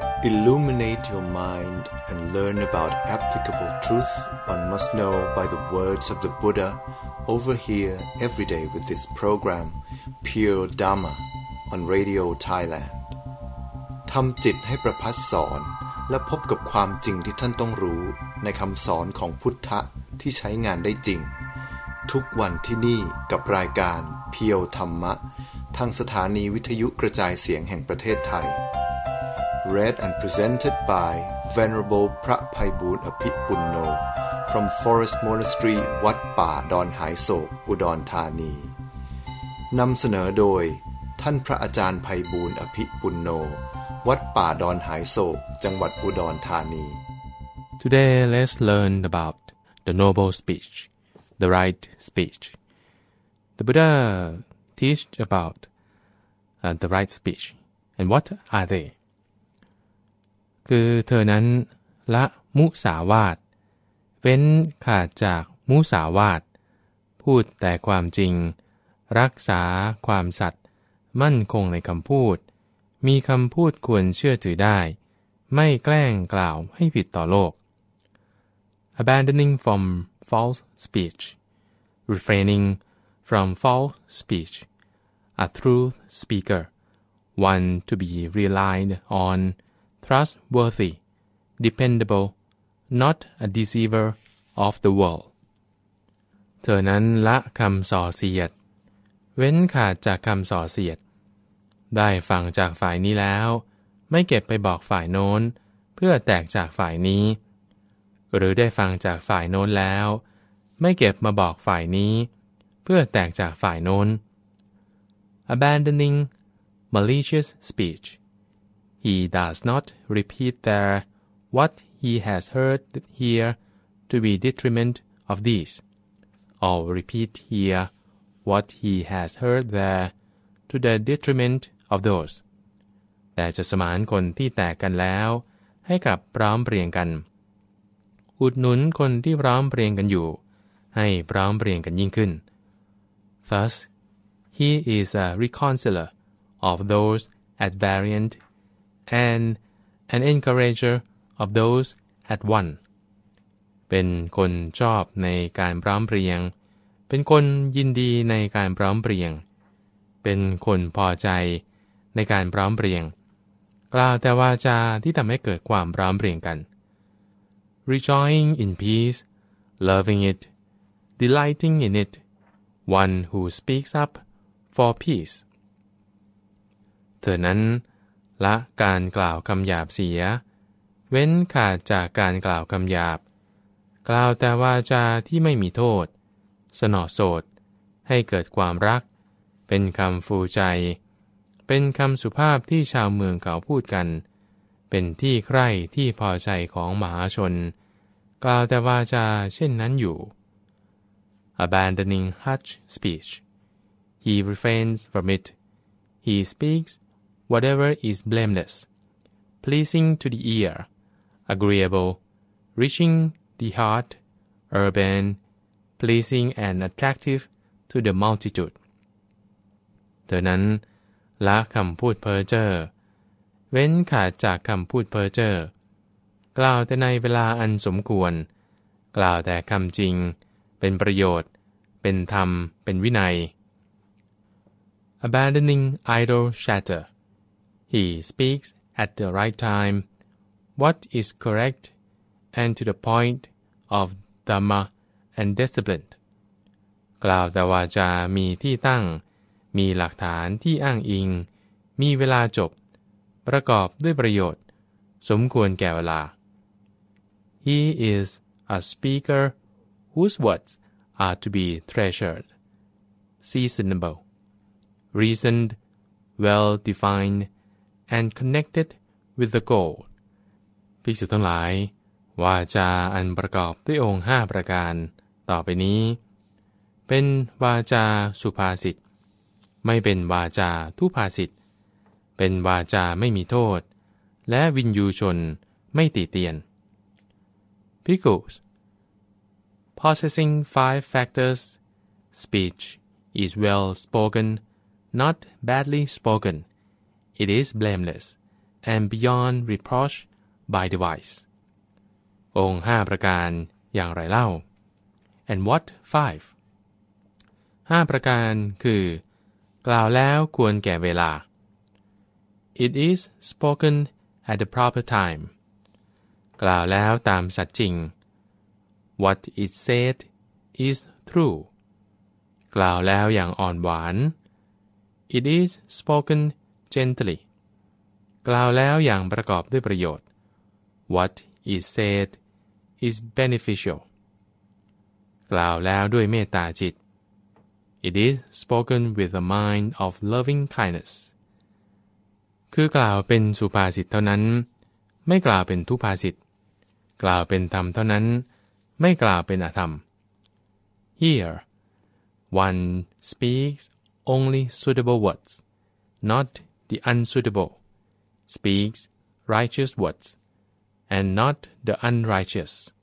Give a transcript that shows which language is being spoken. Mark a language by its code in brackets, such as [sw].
[en] Illuminate your mind and learn about applicable truth one must know by the words of the Buddha over here every day with this program, Pure Dharma, on Radio Thailand. [th] ทำจิตให้ประพัสสอนและพบกับความจริงที่ท่านต้องรู้ในคำสอนของพุทธะที่ใช้งานได้จริงทุกวันที่นี่กับรายการเพียวธรรมะทางสถานีวิทยุกระจายเสียงแห่งประเทศไทย [en] Read and presented by Venerable พระไพบูลย์อภิปุณโญ from Forest Monastery วัดป่าดอนหายโศกอุดรธานี [th] นำเสนอโดยท่านพระอาจารย์ไพบูลย์อภิปุณโญวัดป่าดอนหายโศกจังหวัดอุดรธานี [en] Today let's learn about the noble speech, the right speech. The Buddha teaches about the right speech, and what are they? [th] คือเธอนั้นละมุสาวาทเว้นขาดจากมุสาวาทพูดแต่ความจริงรักษาความสัตย์มั่นคงในคำพูดมีคำพูดควรเชื่อถือได้ไม่แกล้งกล่าวให้ผิดต่อโลก [en] Abandoning from false speech, refraining from false speech, a true speaker, one to be relied on, trustworthy, dependable, not a deceiver of the world. [th] เธอนั้นละคำส่อเสียดเว้นขาดจากคำส่อเสียดได้ฟังจากฝ่ายนี้แล้วไม่เก็บไปบอกฝ่ายโน้นเพื่อแตกจากฝ่ายนี้หรือได้ฟังจากฝ่ายโน้นแล้วไม่เก็บมาบอกฝ่ายนี้เพื่อแตกจากฝ่ายโน้น [en] Abandoning malicious speech, he does not repeat there what he has heard here to be detriment of these, or repeat here what he has heard thereto the detriment of those. [th] แต่จะสมานคนที่แตกกันแล้วให้กลับพร้อมเปรียงกันอุดหนุนคนที่พร้อมเปรียงกันอยู่ให้พร้อมเปรียงกันยิ่งขึ้น [en] Thus, he is a reconciler of those at variant and an encourager of those at one. [th] เป็นคนชอบในการพร้อมเปรียงเป็นคนยินดีในการพร้อมเปรียงเป็นคนพอใจในการพร้อมเปรียงกล่าวแต่วาจาที่ทำให้เกิดความพร้อมเปรียงกัน [en] Rejoicing in peace, loving it, delighting in it, one who speaks up for peace. [th] เธอนั้นละการกล่าวคำหยาบเสียเว้นขาดจากการกล่าวคำหยาบกล่าวแต่วาจาที่ไม่มีโทษสนอโสดให้เกิดความรักเป็นคำฟูใจเป็นคำสุภาพที่ชาวเมืองเขาพูดกันเป็นที่ใคร่ที่พอใจของมหาชนกล่าวแต่วาจาเช่นนั้นอยู่ [en] Abandoning harsh speech, he refrains from it. He speaks whatever is blameless, pleasing to the ear, agreeable, reaching the heart, urban, pleasing and attractive to the multitude. [th] เธอนั้นละคำพูดเพ้อเจ้อเว้นขาดจากคำพูดเพ้อเจ้อกล่าวแต่ในเวลาอันสมควรกล่าวแต่คำจริงเป็นประโยชน์เป็นธรรมเป็นวินัย [en] Abandoning idle chatter, he speaks at the right time what is correct and to the point of dhamma and discipline. [th] กล่าวแต่วาจามีที่ตั้งมีหลักฐานที่อ้างอิงมีเวลาจบประกอบด้วยประโยชน์สมควรแก่เวลา [en] He is a speaker whose words are to be treasured, seasonable, reasoned, well defined, and connected with the goal. [th] ภิกษุทั้งหลายวาจาอันประกอบด้วยองค์5ประการต่อไปนี้เป็นวาจาสุภาษิตไม่เป็นวาจาทุพาสิทธิ์เป็นวาจาไม่มีโทษและวินยูชนไม่ติเตียน [en] Bhikkhus, possessing five factors, speech is well spoken, not badly spoken. It is blameless and beyond reproach by device. [th] องค์5ประการอย่างไรเล่า [en] And what five? [th] 5ประการคือกล่าวแล้วควรแก่เวลา [en] It is spoken at the proper time. [th] กล่าวแล้วตามสัจจริง [en] What it said is true. [th] กล่าวแล้วอย่างอ่อนหวาน [en] It is spoken gently. [th] กล่าวแล้วอย่างประกอบด้วยประโยชน์ [en] What it said is beneficial. [th] กล่าวแล้วด้วยเมตตาจิต [en] It is spoken with a mind of loving kindness. [th] คือกล่าวเป็นสุภาษิตเท่านั้นไม่กล่าวเป็นทุภาษิตกล่าวเป็นธรรมเท่านั้นไม่กล่าวเป็นอธรรม [en] Here, one speaks only suitable words, not the unsuitable. Speaks righteous words, and not the unrighteous.